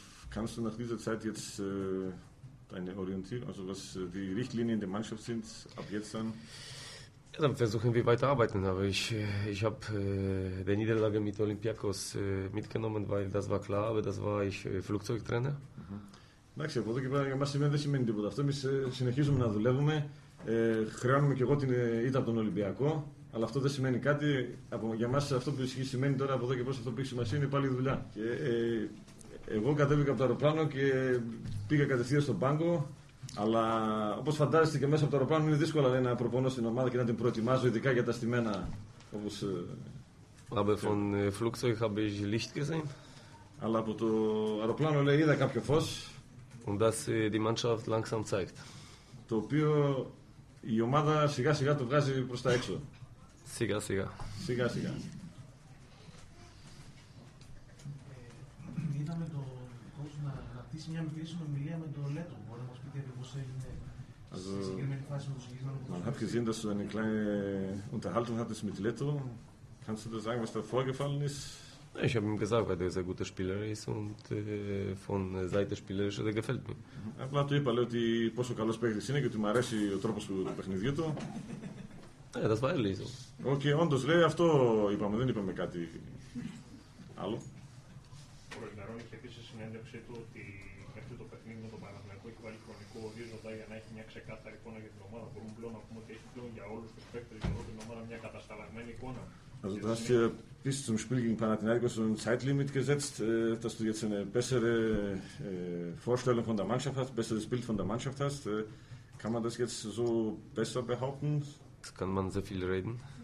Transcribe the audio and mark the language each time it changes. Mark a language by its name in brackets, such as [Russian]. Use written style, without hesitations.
[German] Kannst du nach dieser Zeit jetzt deine Orientierung, also was die Richtlinien der Mannschaft sind, ab jetzt dann? Ja, dann versuchen wir weiterarbeiten. Aber ich habe die Niederlage mit Olympiakos mitgenommen, weil das war klar, aber das war ich Flugzeugtrainer. [Greek] Εντάξει, από εδώ και πέρα για μας σημαίνει, δεν σημαίνει τίποτα. Αυτό εμείς συνεχίζουμε να δουλεύουμε. Χρειάζομαι και εγώ την ήττα από τον Ολυμπιακό, αλλά αυτό δεν σημαίνει κάτι. Από, για μας αυτό που ισχύει σημαίνει τώρα από εδώ και πέρα, αυτό που έχει σημασία είναι πάλι η δουλειά. Και, εγώ κατέβηκα από το αεροπλάνο και πήγα κατευθείαν στον πάγκο. Αλλά όπως φαντάζεστε και μέσα από το αεροπλάνο είναι δύσκολο να προπονώ στην ομάδα και να την προετοιμάζω, ειδικά για τα στημένα. Όπως, [German] Aber von Flugzeug habe ich Licht gesehen. [Greek] Αλλά από το αεροπλάνο λέει είδα κάποιο φως. [German] Und dass die Mannschaft langsam zeigt. [Greek] Το οποίο η ομάδα σιγά σιγά το βγάζει προς τα έξω. Σιγά σιγά. Σιγά σιγά. Είδαμε το κόσμο να κρατήσει μια μικρή συνομιλία με τον Λέτο. Μπορεί να μας πείτε ακριβώς έγινε. [German] Also, man hat gesehen, dass du eine kleine Unterhaltung hattest mit Leto. Kannst du dir sagen, was da vorgefallen ist? Ich habe ihm gesagt, weil er ein sehr guter Spieler ist und von Seite spielerisch gefällt mir. [Greek] Απλά του είπα, λέω, ότι πόσο καλός παίχτης είναι και ότι μου αρέσει ο τρόπος του παιχνιδιού του. [German] Ναι, das war ehrlich so. [Greek] Okay, όντως, λέει, αυτό είπαμε, δεν είπαμε κάτι άλλο. Ο Ρογιναρόν είχε πει σε συνέντευξή του ότι μέχρι το παιχνίδι με τον Παναθηναϊκό έχει βάλει χρονικό ορίζοντα για να έχει μια ξεκάθαρη εικόνα για την ομάδα. Μπορούμε πλέον να πούμε ότι έχει πλέον για όλους τους παίκτες για όλη την ομάδα μια κατασταλαγμένη εικόνα. [German] Also du hast hier bis zum Spiel gegen Panathinaikos so ein Zeitlimit gesetzt, dass du jetzt eine bessere Vorstellung von der Mannschaft hast, besseres Bild von der Mannschaft hast. Kann man das jetzt so besser behaupten? Das kann man sehr viel reden.